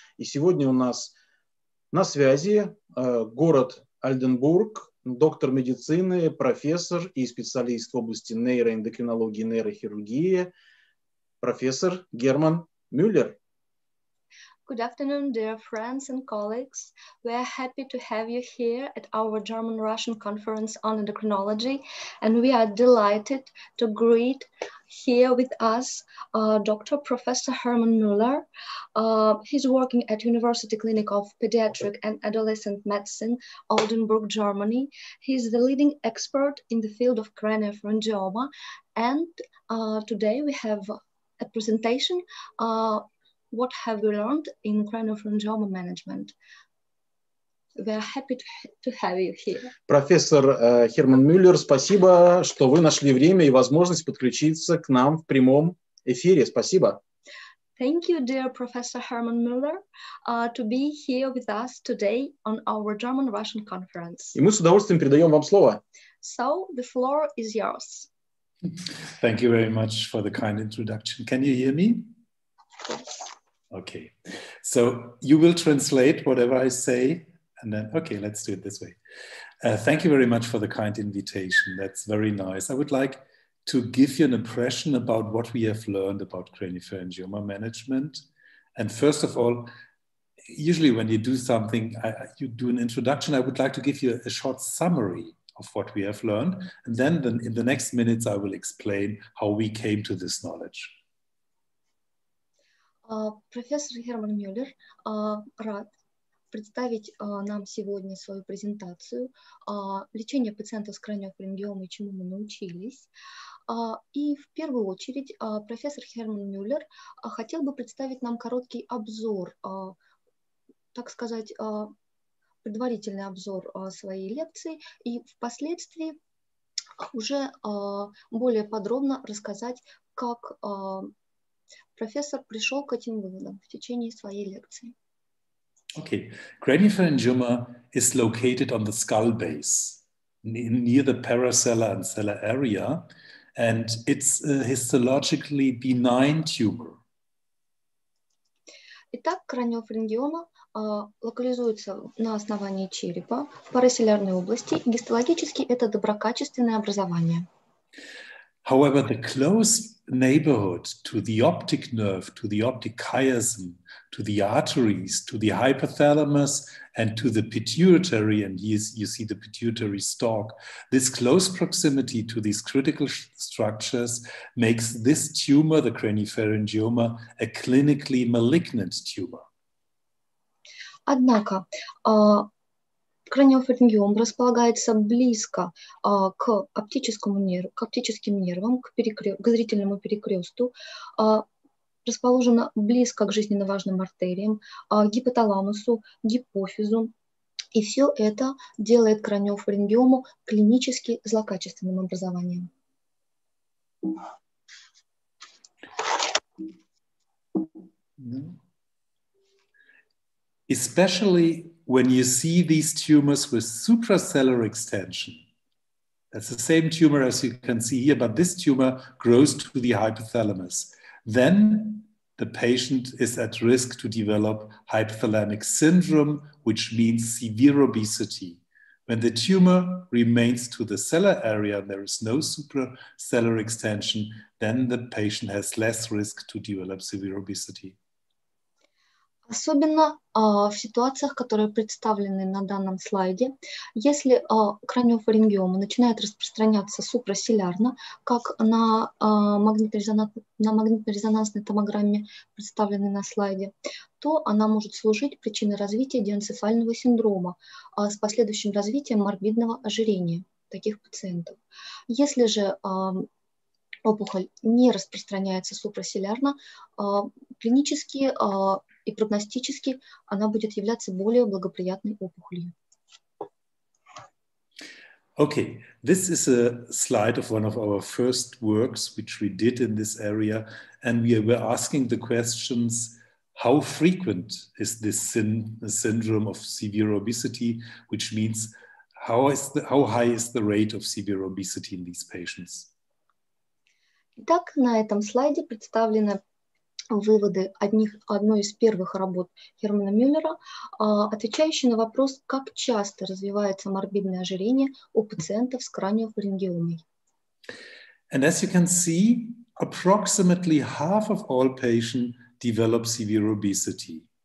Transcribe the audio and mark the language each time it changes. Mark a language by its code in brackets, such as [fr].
[ru] И сегодня у нас на связи город Ольденбург, доктор медицины, профессор и специалист в области нейроэндокринологии и нейрохирургии, профессор Герман Мюллер. [en] Good afternoon, dear friends and colleagues. We are happy to have you here at our German-Russian conference on endocrinology, and we are delighted to greet here with us Dr. Professor Herman Müller. He's working at University Clinic of Pediatric and Adolescent Medicine, Oldenburg, Germany. He's the leading expert in the field of craniopharyngioma, and today we have a presentation What have we learned in craniopharyngioma management? We are happy to have you here. [ru] Профессор Херман Мюллер, спасибо, что вы нашли время и возможность подключиться к нам в прямом эфире. Спасибо. [en] Thank you, dear Professor Herman Müller, to be here with us today on our German-Russian conference. [ru] И мы с удовольствием передаем вам слово. [en] So, the floor is yours. Thank you very much for the kind introduction. Can you hear me? Okay, so you will translate whatever I say, and then, okay, let's do it this way. Thank you very much for the kind invitation. That's very nice. I would like to give you an impression about what we have learned about craniopharyngioma management. And first of all, usually when you do something, you do an introduction, I would like to give you a short summary of what we have learned. And then in the next minutes, I will explain how we came to this knowledge. [ru] Профессор Герман Мюллер рад представить нам сегодня свою презентацию лечения пациентов с краниопарингиомой, чему мы научились. И в первую очередь профессор Герман Мюллер хотел бы представить нам короткий обзор, так сказать, предварительный обзор своей лекции и впоследствии уже более подробно рассказать, как Professor пришел к этим выводам в течение своей лекции. [en] Okay, craniopharyngioma is located on the skull base, near the paracella and cella area, and it's a histologically benign tumor. [ru] Итак, краниопарингиома локализуется на основании черепа, в парацеллярной области, и гистологически это доброкачественное образование. [en] However, the close neighborhood to the optic nerve, to the optic chiasm, to the arteries, to the hypothalamus, and to the pituitary, and you see the pituitary stalk, this close proximity to these critical structures makes this tumor, the craniopharyngioma, a clinically malignant tumor. [ru] Однако, Краниопарингиома располагается близко к оптическому нерву, к оптическим нервам, к зрительному перекресту, расположена близко к жизненно важным артериям, гипоталамусу, гипофизу. И все это делает краниопарингиому клинически злокачественным образованием. [en] Especially when you see these tumors with supracellular extension. That's the same tumor as you can see here, but this tumor grows to the hypothalamus. Then the patient is at risk to develop hypothalamic syndrome, which means severe obesity. When the tumor remains to the cella area, there is no supracellular extension, then the patient has less risk to develop severe obesity. [ru] Особенно в ситуациях, которые представлены на данном слайде, если краниопарингиома начинает распространяться супрасилярно, как на магнитно-резонансной томограмме, представленной на слайде, то она может служить причиной развития диэнцефального синдрома с последующим развитием морбидного ожирения таких пациентов. Если же опухоль не распространяется супрасилярно, клинически и прогностически она будет являться более благоприятной опухолью. [en] Okay, this is a slide of one of our first works, which we did in this area, and we were asking the questions, how frequent is this syndrome of severe obesity, which means How high is the rate of severe obesity in these patients? [ru] Итак, на этом слайде представлены выводы одной из первых работ Германа Мюллера, отвечающие на вопрос, как часто развивается морбидное ожирение у пациентов с краниофарингиомой. [en] And as you can see, approximately half of all patients develop severe obesity.